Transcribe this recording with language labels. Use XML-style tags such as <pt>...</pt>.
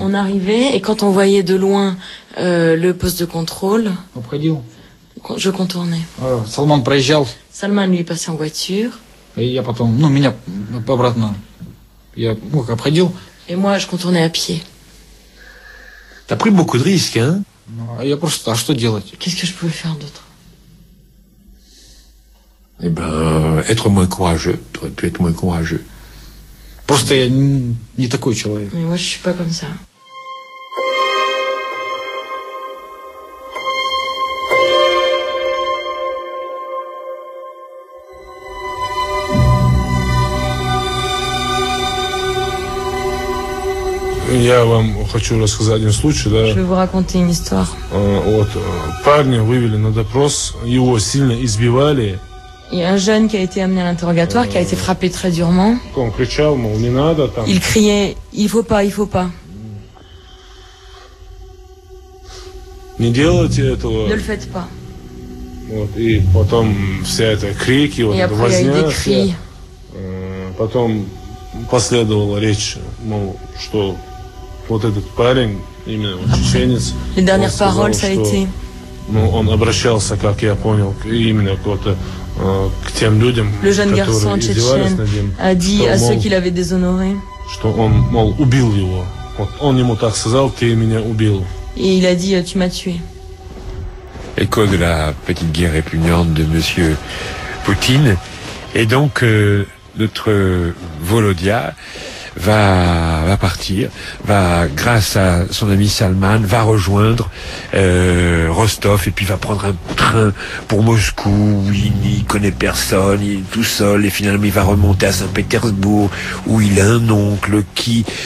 <fr>On arrivait et quand on voyait de loin le poste de contrôle.</fr> <ru>Обходил.</ru> <fr>Je contournais.</fr> <ru>Salman проезжал.</ru> <fr>Salman lui passait en voiture. Et</fr> <ru>я потом, ну меня обратно, я ну, как обходил.</ru> <fr>Et moi, je contournais à pied. T'as pris beaucoup de risques, hein?</fr> <ru>Ну, я просто, а что делать?</ru> <fr>Qu'est-ce que je pouvais faire d'autre? Eh ben, être moins courageux. T'aurais pu être moins courageux.</fr> <ru>Просто я не такой человек.</ru> <fr>Mais moi, je suis pas comme ça.</fr> <ru>Я вам хочу рассказать один случай, да?</ru> <fr>Je vais vous raconter une histoire.</fr> <ru>Вот, парня вывели на допрос, его сильно избивали.</ru> <fr>Il y a un jeune qui a été amené à l'interrogatoire, qui a été frappé très durement.</fr> <ru>Он кричал, мол, не надо там.</ru> <fr>Il criait, il faut pas, il faut pas.</fr> <ru>Не делайте этого.</ru> <fr>Ne le faites pas.</fr> <ru>Вот, и потом вся эта крики, вот эта возня.</ru> <fr>Et après, il y a eu des cris.</fr> <ru>Потом последовала речь, мол, что вот этот парень, именно вот чеченец,</ru> <fr>les dernières</fr> <ru>он сказал,</ru> <fr>paroles,</fr> <ru>что,</ru> <fr>ça a été...</fr> <ru>ну, он обращался, как я понял, именно кто-то, к тем людям,</ru> <fr>le jeune garçon tchétchène a dit à ceux qu'il avait déshonoré,</fr> <ru>что он, мол, убил его. Вот он ему так сказал, ты меня убил.</ru> <fr>Et il a dit, tu m'as tué. Écho de la petite guerre répugnante de monsieur Poutine. Et donc, notre Volodia va partir, va, grâce à son ami Salman, va rejoindre Rostov et puis va prendre un train pour Moscou où il n'y connaît personne, il est tout seul et finalement il va remonter à Saint-Pétersbourg où il a un oncle qui</fr>